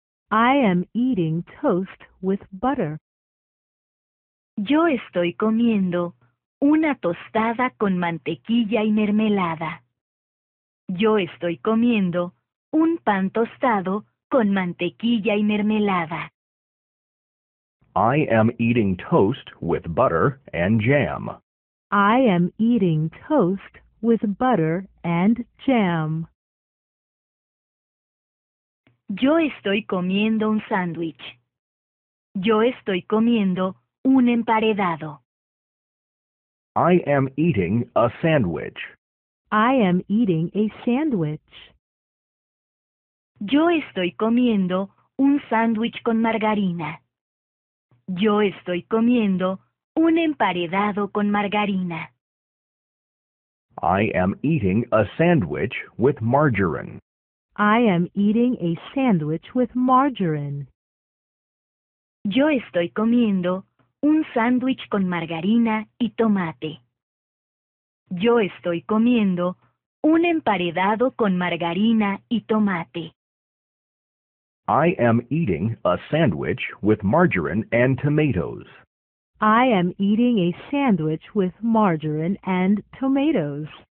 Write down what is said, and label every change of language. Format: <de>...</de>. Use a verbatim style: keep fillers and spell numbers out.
<en>I am eating toast with butter.</en> <es>Yo estoy comiendo una tostada con mantequilla y mermelada. Yo estoy comiendo un pan tostado con mantequilla y mermelada.</es> <en>I am eating toast with butter and jam. I am eating toast with butter and jam.</en> <es>Yo estoy comiendo un sándwich. Yo estoy comiendo un emparedado.</es> <en>I am eating a sandwich. I am eating a sandwich.</en> <es>Yo estoy comiendo un sándwich con margarina. Yo estoy comiendo un emparedado con margarina.</es> <en>I am eating a sandwich with margarine. I am eating a sandwich with margarine.</en> <es>Yo estoy comiendo un sándwich con margarina y tomate. Yo estoy comiendo un emparedado con margarina y tomate.</es> <en>I am eating a sandwich with margarine and tomatoes. I am eating a sandwich with margarine and tomatoes.</en>